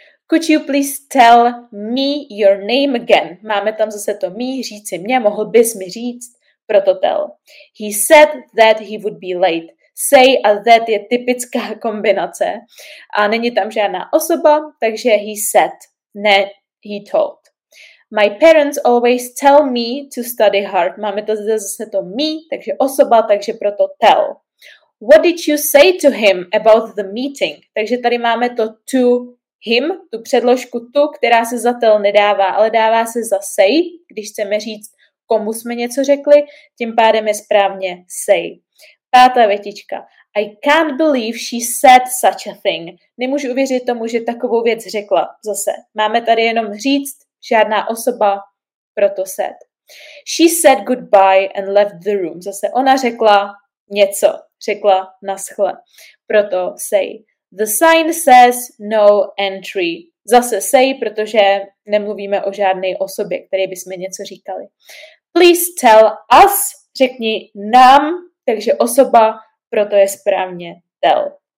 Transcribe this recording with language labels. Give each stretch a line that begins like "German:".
English: Could you please tell me your name again?
Czech: Máme tam zase to me, říci mě, mohl bys mi říct, proto tell.
English: He said that he would be late.
Czech: Say a that je typická kombinace. A není tam žádná osoba, takže he said, ne, he told.
English: My parents always tell me to study hard.
Czech: Máme to zase to me, takže osoba, takže proto tell.
English: What did you say to him about the meeting?
Czech: Takže tady máme to to him, tu předložku tu, která se za tell nedává, ale dává se za say, když chceme říct, komu jsme něco řekli, tím pádem je správně say. Pátá větička.
English: I can't believe she said such a thing.
Czech: Nemůžu uvěřit tomu, že takovou věc řekla. Zase, máme tady jenom říct, žádná osoba, proto said.
English: She said goodbye and left the room.
Czech: Zase, ona řekla něco, řekla naschle. Proto say.
English: The sign says no entry.
Czech: Zase say, protože nemluvíme o žádné osobě, které bychom něco říkali.
English: Please tell us,
Czech: řekni nám, takže osoba, proto je správně tell.